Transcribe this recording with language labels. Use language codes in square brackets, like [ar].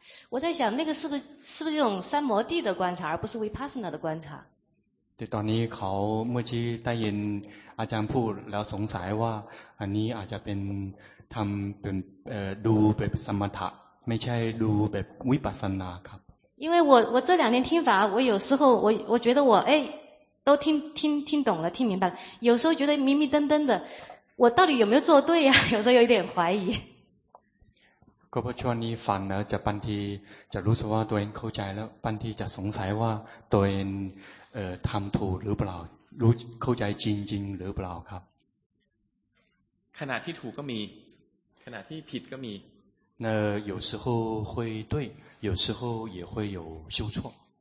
[zh] 我在想那个是不是用三摩地的观察而不是 Vipassana 的观察。 [th] 对，ตอนนี้เขาเมื่อกี้ได้ยินอาจารย์พูดแล้วสงสัยว่าอันนี้อาจจะเป็นทำเป็นดูแบบสมถะไม่ใช่ดูแบบวิปัสสนาครับ [zh] 因为我这两天听法我有时候我觉得我哎都听懂了听明白了有时候觉得迷迷瞪瞪的我到底有没有做对啊有时候有点怀疑 [th] ก็เพราะช่วงนี้ฟังแล้วจะบางทีจะรู้สึกว่าตัวเองเข้าใจแล้วบางทีจะสงสัยว่าตัวเองทำถูกหรือเปล่ารู้เข้าใจจริงๆหรือเปล่าครับ ขณะที่ถูกก็มีขณะที่ผิดก็มี [zh] 那有时候会对有时候也会有修错